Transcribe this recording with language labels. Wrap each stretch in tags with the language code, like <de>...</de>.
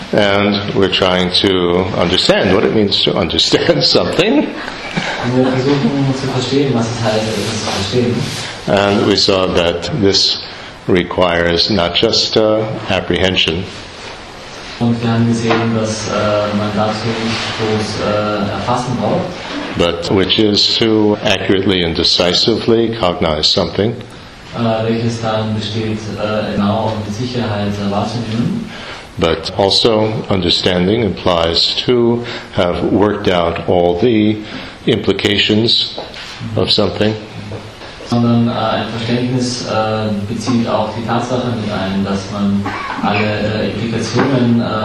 <en>And we're trying to understand what it means to understand something. And we saw that this requires not just apprehension.</en> <de>Und wir haben gesehen, dass man dazu nicht bloß erfassen braucht.</de> <en>But which is to accurately and decisively cognize something.</en> <de>Welches darin besteht, genau und mit Sicherheit wahrzunehmen.</de> <en>But also understanding implies to have worked out all the implications of something.</en> <de>Sondern ein Verständnis bezieht auch die Tatsache mit ein, dass man alle Implikationen</de>